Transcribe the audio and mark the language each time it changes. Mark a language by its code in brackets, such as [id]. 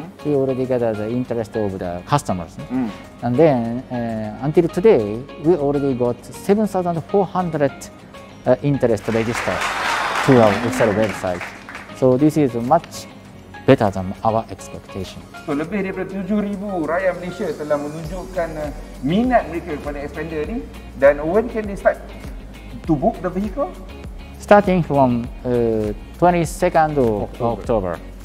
[en] We already gather the interest of the customers. And then until today, we already got 7,400. interest register to our Excel website. So this is much better than our expectation. [ms] So lebih daripada 7,000 rakyat Malaysia telah menunjukkan minat mereka kepada Expander ni. [en] Dan when can they start to book the vehicle? Starting from 22nd of October.